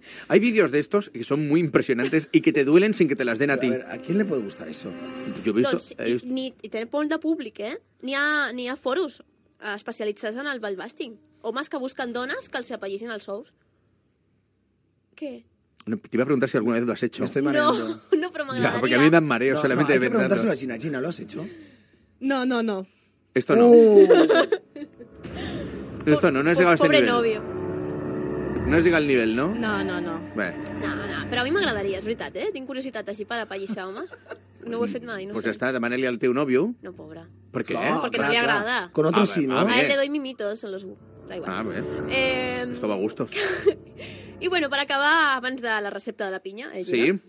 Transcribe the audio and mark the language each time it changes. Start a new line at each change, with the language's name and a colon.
Spanish: Hay vídeos de estos que son muy impresionantes y que te duelen sin que te las den a ti. A ver, ¿a quién le puede gustar eso? Yo he visto...
Catalan: Ni tenen por de públic, eh? Ni a foros especialitzats en el balbasting. Homes que busquen dones que els apallissin els ous. Què?
Spanish: Te iba a preguntar si alguna vez lo has hecho. Me estoy mareando. No, pero me agradaría. Porque a mí me dan mareo solamente de pensarlo. No, hay que preguntárselo a Gina. Gina, ¿lo has hecho? No. Esto no. Esto no, no has llegado a ese nivel. Pobre novio. No has llegado al nivel, ¿no? No.
Catalan: Bé. No, però a mi m'agradaria, és veritat, eh? Tinc curiositat així per apallissar homes. No ho he fet mai, no sé. Pues ya està, demanar-li al teu novio. No, pobre. Per què? Perquè no li agrada.
Spanish: Con otros sí, ¿no? A él le doy mimitos, a los... Da igual. Ah, bé. Esto va a gustos.
Catalan: I, bueno, per acabar, abans de la recepta de la pinya, eh, Gina?